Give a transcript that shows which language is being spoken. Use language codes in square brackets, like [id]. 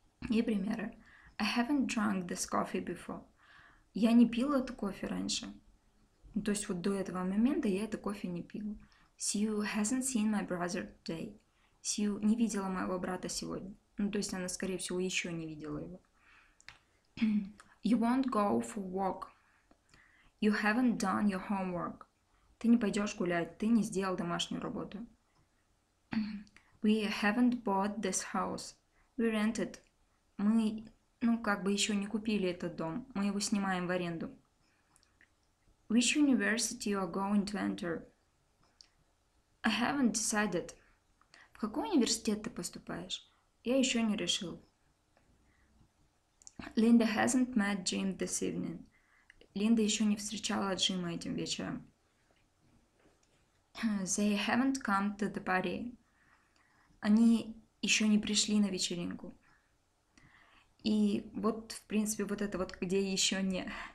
[ru] И примеры. [en] I haven't drunk this coffee before. [ru] Я не пила эту кофе раньше. То есть вот до этого момента я это кофе не пила. [en] Sue hasn't seen my brother today. [ru] Sue не видела моего брата сегодня. Ну, то есть она, скорее всего, еще не видела его. [en] You won't go for a walk. You haven't done your homework. [ru] Ты не пойдешь гулять, ты не сделал домашнюю работу. [en] We haven't bought this house. We rented. [ru] Мы, ну, как бы еще не купили этот дом. Мы его снимаем в аренду. [en] Which university you are going to enter? I haven't decided. [ru] В какой университет ты поступаешь? Я еще не решил. [en] Linda hasn't met Jim this evening. [ru] Линда еще не встречала Джима этим вечером. [en] They haven't come to the party. [ru] Они еще не пришли на вечеринку. И вот, в принципе, вот это вот, где еще не.